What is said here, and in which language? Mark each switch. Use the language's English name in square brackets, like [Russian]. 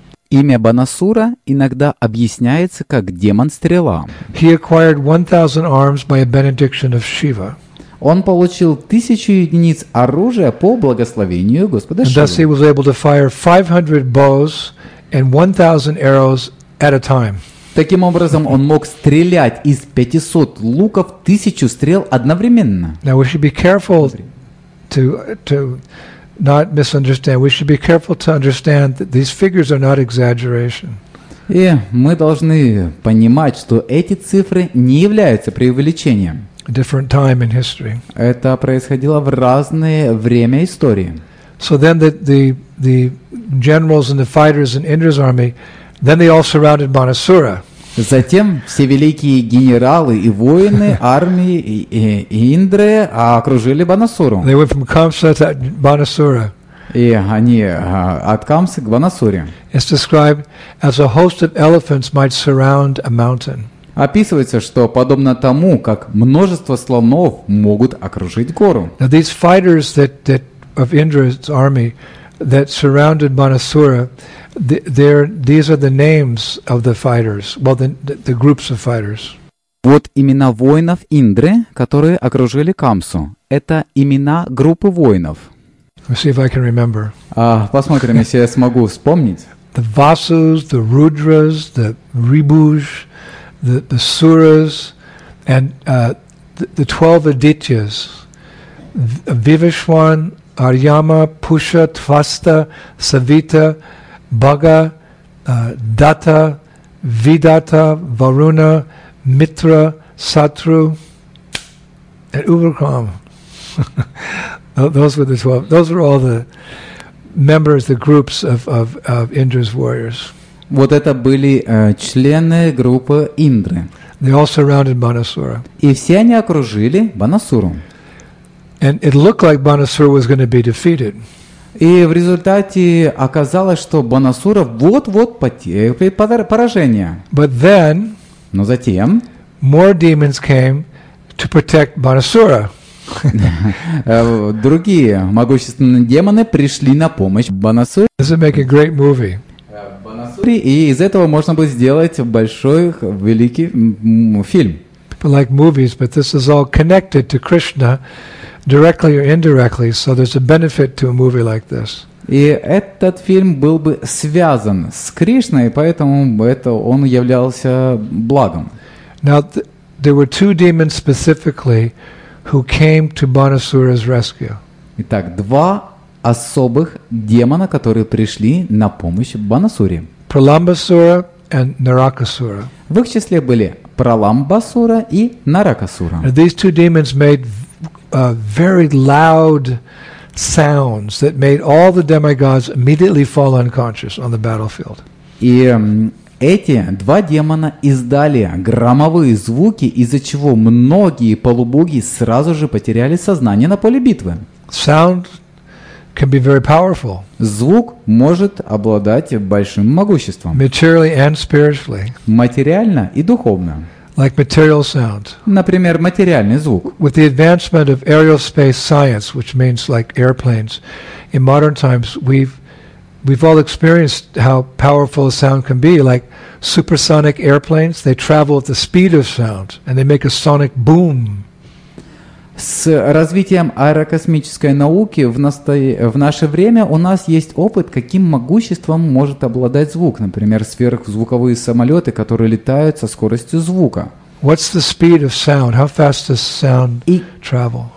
[Russian] Имя Банасура иногда объясняется как демон стрела. [English] He acquired 1,000 arms by a benediction of Shiva. [Russian] Он получил 1,000 единиц оружия по благословению Господа Шивы. [English] Thus he was able to fire 500 bows and 1,000 arrows at a time. [Russian] Таким образом, он мог стрелять из 500 луков 1,000 стрел одновременно. [English] Now we should be careful to not misunderstand. We should be careful to understand that these figures are not exaggeration. [Russian] И мы должны понимать, что эти цифры не являются преувеличением. [English] Different time in history. [Russian] Это происходило в разное время истории. [English] So then the generals and the fighters in Indra's army, then they all surrounded Banasura. [Russian] Затем все великие генералы и воины армии Индры окружили Банасуру. [English] They went from Kamsa to Banasura. [Russian] И они от Камсы к Банасуре. [English] It's described as a host of elephants might surround a mountain. [Russian] Описывается, что подобно тому, как множество слонов могут окружить гору. [English] Now these fighters that of Indra's army that surrounded Banasura, these are the names of the fighters, well the groups of fighters. [Russian] Вот имена воинов Индры, которые окружили Камсу. Это имена группы воинов. [English] Let's see if I can remember. [Russian] Посмотрим, если я смогу вспомнить. [English] The Vasus, the Rudras, the Ribhus, the Suras, and the 12 Adityas. Vivishwan, Aryama, Pusha, Tvasta, Savita, Bhaga, Datta, Vidatta, Varuna, Mitra, Satru, and Uvarkam. Those were the 12. Those were all the members, the groups of Indra's warriors. [Russian] Вот это были члены группы Индры. [English] They all surrounded Banasura. [Russian] И все они окружили Банасуру. [English] And it looked like Banasura was going to be defeated. [Russian] И в результате оказалось, что Банасура вот-вот потерпит поражение. [English] But then, [Russian] но затем, [English] more demons came to protect Banasura. [Russian] Другие могущественные демоны пришли на помощь Банасуре. [English] This would make a great movie. [Russian] Банасуре, и из этого можно будет сделать большой, великий фильм. [English] People like movies, but this is all connected to Krishna, directly or indirectly, so there's a benefit to a movie like this. [Russian] И этот фильм был бы связан с Кришной, поэтому это он являлся благом. [English] Now, there were two demons specifically who came to Banasura's rescue. [Russian] Итак, два особых демона, которые пришли на помощь Банасуре. [English] Praralambasura and Narakasura. [Russian] В их числе были Praralambasura и Narakasura. [English] Now, these two demons made very loud sounds that made all the demigods immediately fall unconscious on the battlefield. [Russian] И эти два демона издали громовые звуки, из-за чего многие полубоги сразу же потеряли сознание на поле битвы. [English] Sound can be very powerful. [Russian] Звук может обладать большим могуществом. [English] Materially and spiritually. [Russian] Материально и духовно. [English] Like material sound. [Russian] Например, материальный звук. [English] With the advancement of aerospace science, which means like airplanes, in modern times we've all experienced how powerful a sound can be. Like supersonic airplanes, they travel at the speed of sound and they make a sonic boom. [Russian] С развитием аэрокосмической науки в наше время у нас есть опыт, каким могуществом может обладать звук. Например, сверхзвуковые самолеты, которые летают со скоростью звука. [English] What's the speed of sound? How fast does sound travel?